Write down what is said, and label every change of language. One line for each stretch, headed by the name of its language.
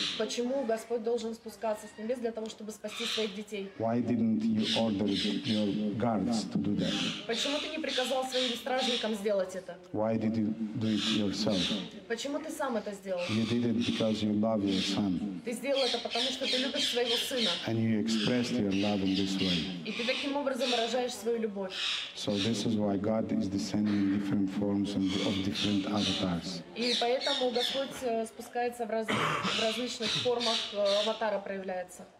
Russian: Почему Господь должен спускаться с небес для того, чтобы спасти своих детей?
English: Why didn't you order your guards to do that?
Russian: Почему ты не приказал своим стражникам сделать это?
English: Why did you do it yourself?
Russian: Почему ты сам это сделал?
English: You did it because you love your son.
Russian: Ты сделал это потому, что ты любишь своего сына.
English: And you expressed your love in this way.
Russian: И ты таким образом выражаешь свою любовь.
English: So this is why God is descending in different forms and of different avatars.
Russian: И поэтому Господь спускается в различных формах аватара проявляется.